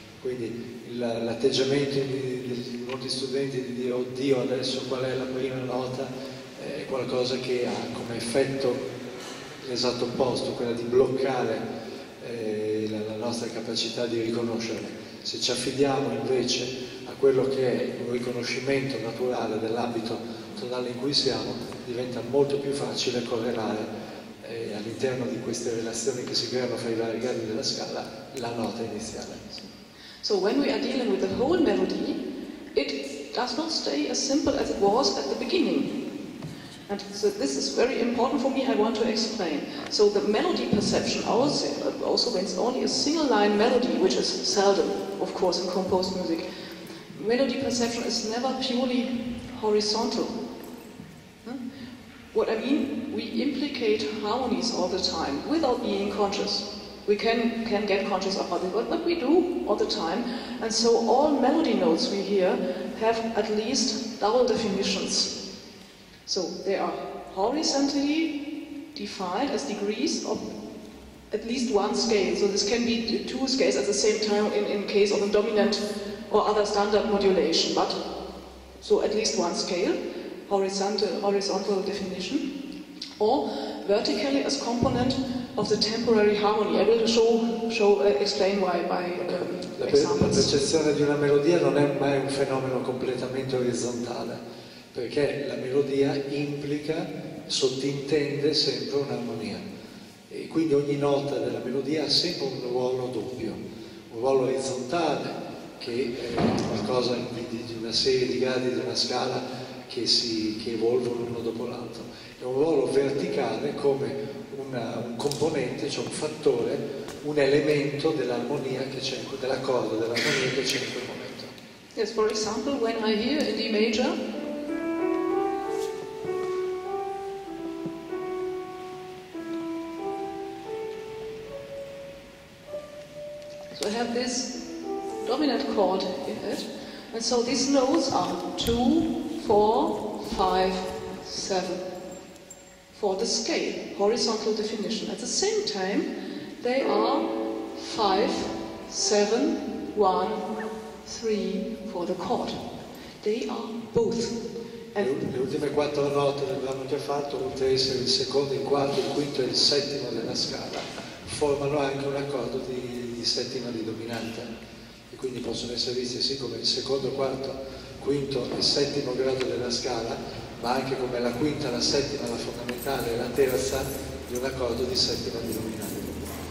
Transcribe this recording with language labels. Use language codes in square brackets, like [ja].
[it] Quindi l'atteggiamento di molti studenti di dire oddio adesso qual è la prima nota è qualcosa che ha come effetto l'esatto opposto, quella di bloccare la nostra capacità di riconoscerla. Se ci affidiamo invece a quello che è un riconoscimento naturale dell'abito tonale in cui siamo, diventa molto più facile correlare all'interno di queste relazioni che si creano fra i vari gradi della scala la nota iniziale. [en] So when we are dealing with the whole melody, it does not stay as simple as it was at the beginning. And so this is very important for me, I want to explain. So the melody perception also when it's only a single line melody, which is seldom, of course, in composed music, melody perception is never purely horizontal. What I mean, we implicate harmonies all the time without being conscious. We can get conscious about it, but we do all the time. And so all melody notes we hear have at least double definitions. So they are horizontally defined as degrees of at least one scale. So this can be two scales at the same time in case of a dominant or other standard modulation. But so at least one scale, horizontal definition, or vertically as component of the temporary harmony. I will explain why by examples. [it] La percezione di una melodia non è mai un fenomeno completamente orizzontale. Perché la melodia implica, sottintende sempre un'armonia e quindi ogni nota della melodia ha sempre un ruolo doppio, un ruolo orizzontale che è qualcosa di una serie di gradi, di una scala che evolvono uno dopo l'altro, è un ruolo verticale come un componente, cioè un fattore, un elemento dell'armonia che c'è, dell'accordo, dell'armonia che c'è in quel momento. [en] Yes, for example, when I hear in D major, so I have this dominant chord in it, and so these notes are 2, 4, 5, 7 for the scale, horizontal definition. At the same time, they are 5, 7, 1, 3 for the chord. They are both. [it] And le ultime quattro note del brano che ha fatto, oltre ad essere il secondo, il quarto, il quinto e il settimo della scala, formano anche un accordo di settima di dominante e quindi possono essere visti sì come il secondo, quarto, quinto e settimo grado della scala, ma anche come la quinta, la settima, la fondamentale e la terza di un accordo di settima di dominante.